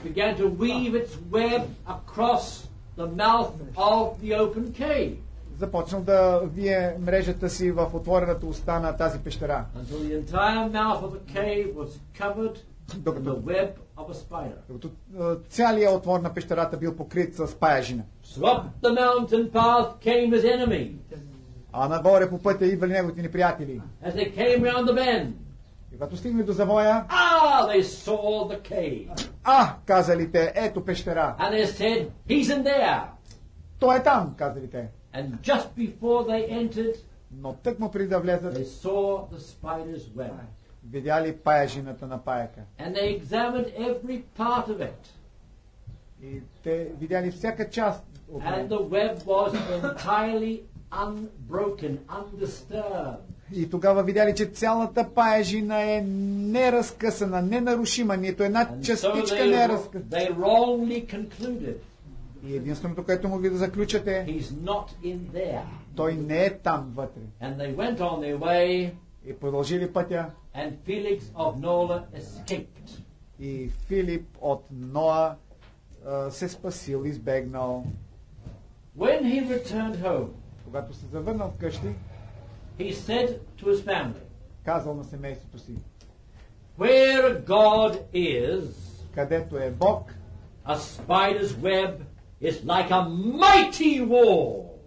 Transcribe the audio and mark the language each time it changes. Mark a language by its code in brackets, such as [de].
[en] began to weave its web across the mouth of the open cave. [bg] Започнал да вие мрежата си в отворената уста на тази пещера. [en] Until the entire mouth of the cave was covered with the web of a spider. [bg] Докато цялия отвор на пещерата бил покрит с паяжина. [en] So up the mountain path came his enemy. [bg] А нагоре по пътя идвали неговите неприятели. [en] As they came round the bend. [bg] И когато стигнали до завоя, [en] they saw the cave. [bg] Казали те, ето пещера. [en] And they said, he's in there. [bg] Той е там, казали те. [en] And just before they entered, [bg] но тъкмо преди да влезат, [en] they saw the spider's web. [bg] Видяли паяжината на паяка. [en] And they examined every part of it. [bg] И те видяли всяка част от него. [en] And the web was entirely unbroken, undisturbed. [bg] И тогава видяли, че цялата паяжина е неразкъсана, ненарушима, нито една частичка не е разкъсана. [en] They wrongly concluded. [bg] И единственото, което могли да заключат е, [en] he's not in there. [bg] Той не е там вътре. [en] And they went on their way, [bg] и продължили пътя. [en] And Felix of Nola escaped. [bg] И Филип от Ноа се спасил, избегнал. [en] When he returned home, [bg] когато се завърнал вкъщи, [en] he said to his family, [bg] казал на семейството си, [en] where God is, [bg] където е Бог, [en] a spider's web is like a mighty wall.